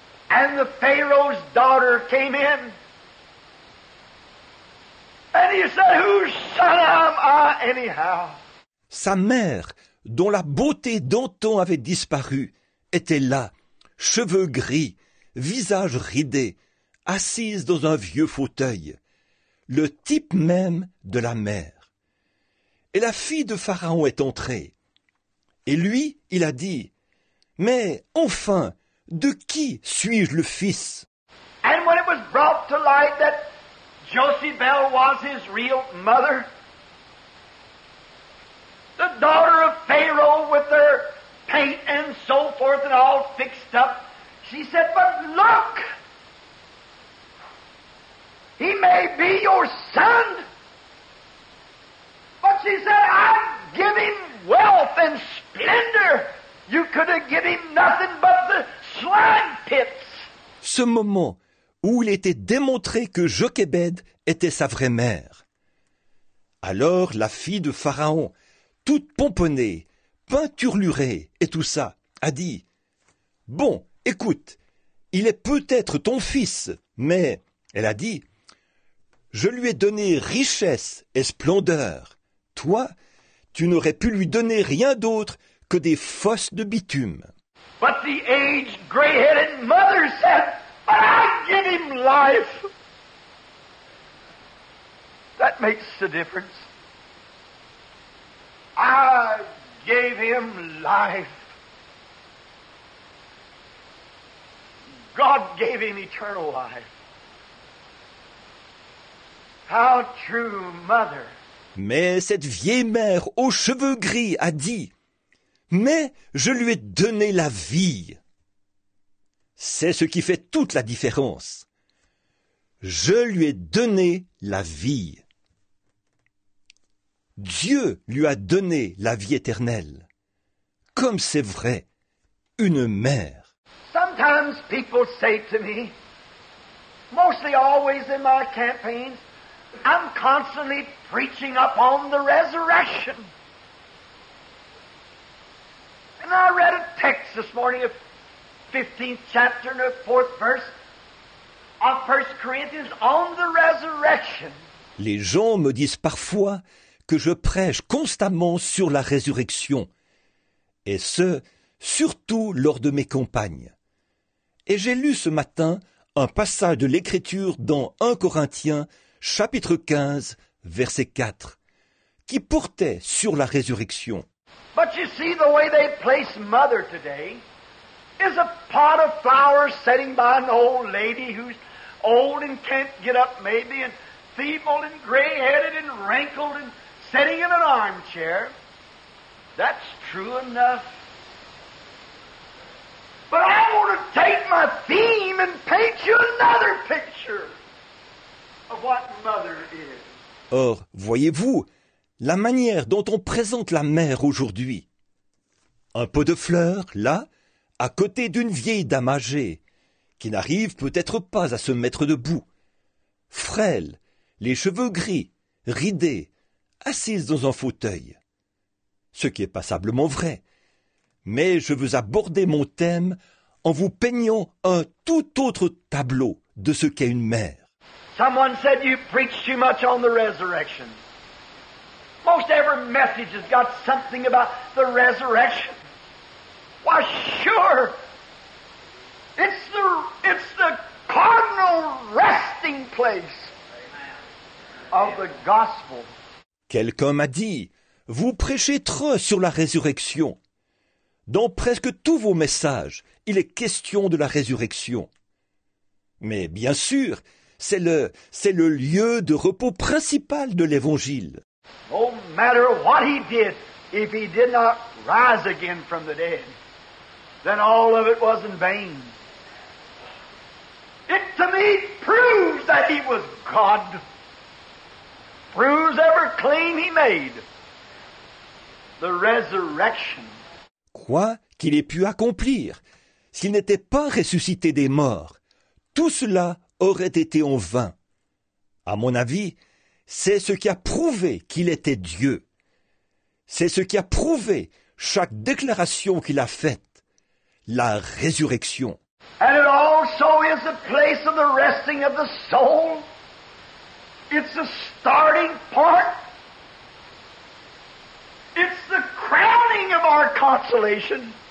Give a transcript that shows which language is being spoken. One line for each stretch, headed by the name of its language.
English: And the Pharaoh's daughter came in. And he said, "Whose son am I, anyhow?"
French: Sa mère, dont la beauté d'antan avait disparu, était là, cheveux gris, visage ridé, assise dans un vieux fauteuil, le type même de la mère. Et la fille de Pharaon est entrée. Et lui, il a dit, « Mais enfin, de qui suis-je le fils ?»
English: And when it was brought to light that Josie Bell was his real mother. The daughter of Pharaoh with her paint and so forth and all fixed up. She said, but look, He may be your son. But she said, I'm giving wealth and splendor. You could have given nothing but the slime pits.
French: Ce moment où il était démontré que Jochébède était sa vraie mère. Alors la fille de Pharaon, toute pomponnée, peinturlurée et tout ça, a dit « Bon, écoute, il est peut-être ton fils, mais, elle a dit, je lui ai donné richesse et splendeur. Toi, tu n'aurais pu lui donner rien d'autre que des fosses de bitume. »
English: But the aged gray-headed mother said, but I give him life. That makes the difference. I gave him life. God gave him eternal life. How true, mother.
French: Mais cette vieille mère aux cheveux gris a dit, mais je lui ai donné la vie. C'est ce qui fait toute la différence. Je lui ai donné la vie. Dieu lui a donné la vie éternelle. Comme c'est vrai, une mère.
English: Sometimes people say to me, mostly always in my campaigns, I'm constantly preaching up on the resurrection. And I read a text this morning, a 15th chapter and a 4th verse of 1 Corinthians on the resurrection.
French: Les gens me disent parfois que je prêche constamment sur la résurrection, et ce, surtout lors de mes campagnes. Et j'ai lu ce matin un passage de l'Écriture dans 1 Corinthiens, chapitre 15, verset 4, qui portait sur la résurrection.
English: But you see, the way they place mother today is a pot of flowers sitting by an old lady who's old and can't get up maybe and feeble and gray-headed and wrinkled and sitting in an armchair. That's true enough. But I want to take my theme and paint you another picture of what mother is.
French: Or, voyez-vous, la manière dont on présente la mère aujourd'hui. Un pot de fleurs, là, à côté d'une vieille dame âgée, qui n'arrive peut-être pas à se mettre debout. Frêle, les cheveux gris, ridés, assise dans un fauteuil. Ce qui est passablement vrai. Mais je veux aborder mon thème en vous peignant un tout autre tableau de ce qu'est une mère.
English: Someone said you preach too much on the resurrection. Most every message has got something about the resurrection. Why, sure, it's the cardinal resting place of the gospel.
French: Quelqu'un m'a dit, vous prêchez trop sur la résurrection. Dans presque tous vos messages, il est question de la résurrection. Mais bien sûr, c'est le lieu de repos principal de l'évangile.
English: No matter what he did, if he did not rise again from the dead, then all of it was in vain. It to me proves that he was God. Proves every claim he made. The resurrection.
French: Quoi qu'il ait pu accomplir, s'il n'était pas ressuscité des morts, tout cela aurait été en vain. À mon avis, c'est ce qui a prouvé qu'il était Dieu. C'est ce qui a prouvé chaque déclaration qu'il a faite, la résurrection.
English: And it also is the place of the resting of the soul. It's the starting part. It's the crowning of our consolation.